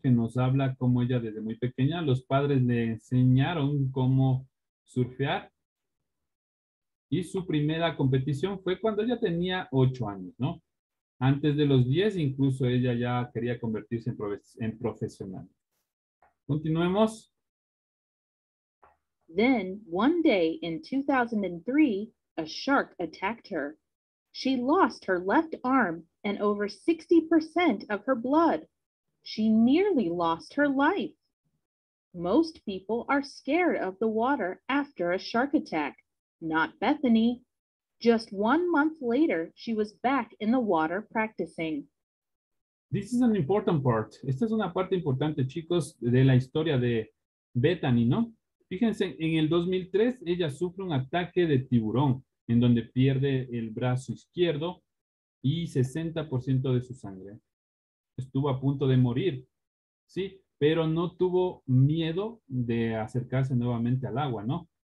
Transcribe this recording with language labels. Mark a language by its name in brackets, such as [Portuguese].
[Spanish] Que nos habla cómo ella desde muy pequeña, los padres le enseñaron cómo surfear. Y su primera competición fue cuando ella tenía 8 años, ¿no? Antes de los 10, incluso ella ya quería convertirse en profesional. Continuemos. [English] Then, one day in 2003, a shark attacked her. She lost her left arm and over 60% of her blood. She nearly lost her life. Most people are scared of the water after a shark attack, not Bethany. Just 1 month later, she was back in the water practicing. This is an important part. [Spanish] Esta es una parte importante, chicos, de la historia de Bethany, ¿no? Fíjense, en el 2003, ella sufre un ataque de tiburón, en donde pierde el brazo izquierdo y 60% de su sangre. Estuvo a punto de morir, ¿sí? Pero no tuvo miedo de acercarse nuevamente al agua, ¿no?